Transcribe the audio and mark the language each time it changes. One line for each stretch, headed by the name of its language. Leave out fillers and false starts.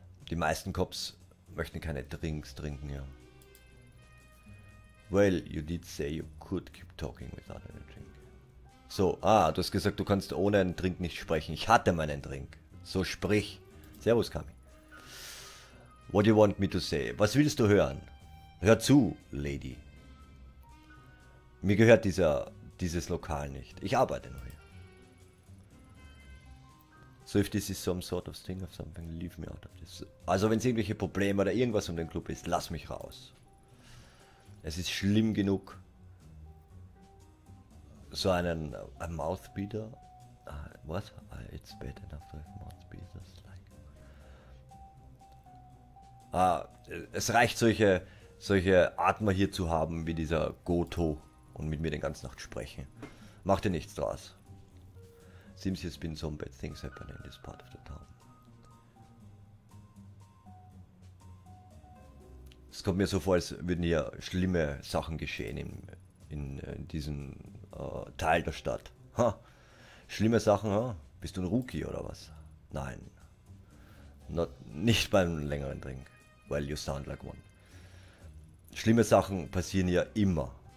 German: Die meisten Cops möchten keine Drinks trinken, ja.
English: Well, you did say you could keep talking without any drink.
German: So, du hast gesagt, du kannst ohne einen Drink nicht sprechen. Ich hatte meinen Drink. So, sprich. Servus, Kami.
English: What do you want me to say?
German: Was willst du hören? Hör zu, Lady. Mir gehört dieses Lokal nicht. Ich arbeite nur hier.
English: So, if this is some sort of thing of something, leave me out of this.
German: Also, wenn es irgendwelche Probleme oder irgendwas um den Club ist, lass mich raus. Es ist schlimm genug. So einen
English: Mouthbeater? What? It's bad enough to have Mouthbeaters.
German: Es reicht, solche Atmer hier zu haben, wie dieser Goto, und mit mir den ganzen Nacht sprechen. Mach dir nichts draus.
English: Seems there's been some bad things happening in this part of the town.
German: Es kommt mir so vor, als würden hier schlimme Sachen geschehen in diesem Teil der Stadt. Ha. Schlimme Sachen, ha? Bist du ein Rookie oder was? Nein. Nicht beim längeren Drink.
English: Well, you sound like one.
German: Schlimme Sachen passieren ja immer.